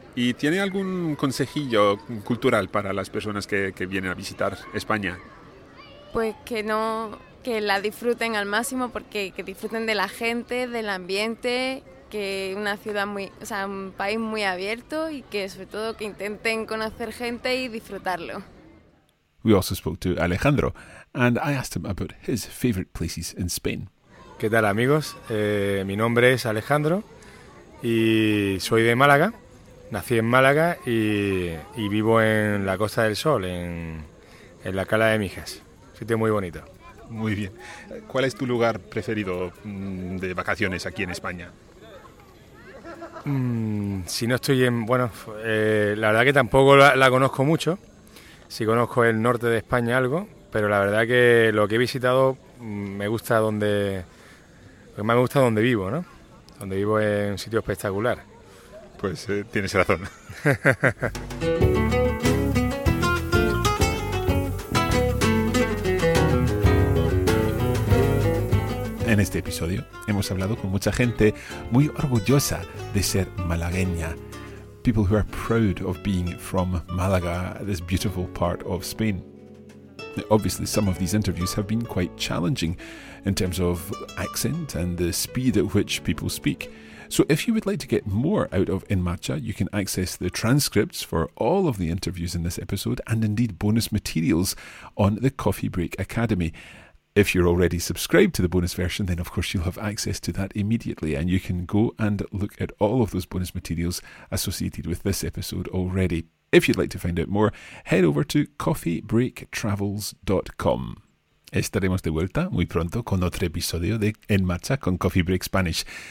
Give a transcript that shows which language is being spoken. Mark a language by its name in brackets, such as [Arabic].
[Spanish] ¿Y tiene algún consejillo cultural para las personas que vienen a visitar España? Pues que la disfruten al máximo, porque que disfruten de la gente, del ambiente, que una ciudad muy, o sea, un país muy abierto, y que sobre todo que intenten conocer gente y disfrutarlo. [English] We also spoke to Alejandro and I asked him about his favorite places in Spain. [Spanish] ¿Qué tal, amigos? Mi nombre es Alejandro y soy de Málaga. Nací en Málaga y vivo en la Costa del Sol, en la Cala de Mijas. Sitio muy bonito. Muy bien. ¿Cuál es tu lugar preferido de vacaciones aquí en España? Si no estoy en... Bueno, la verdad que tampoco la conozco mucho. Sí conozco el norte de España algo, pero la verdad que lo que he visitado me gusta donde... Lo que más me gusta es donde vivo, ¿no? Donde vivo es un sitio espectacular. Pues tienes razón. En este episodio hemos hablado con mucha gente muy orgullosa de ser malagueña. [English] People who are proud of being from Málaga, this beautiful part of Spain. Obviously, some of these interviews have been quite challenging in terms of accent and the speed at which people speak. So if you would like to get more out of En Marcha, you can access the transcripts for all of the interviews in this episode and indeed bonus materials on the Coffee Break Academy. If you're already subscribed to the bonus version, then of course you'll have access to that immediately, and you can go and look at all of those bonus materials associated with this episode already. If you'd like to find out more, head over to coffeebreaktravels.com. [Spanish] Estaremos de vuelta muy pronto con otro episodio de En Marcha con Coffee Break Spanish.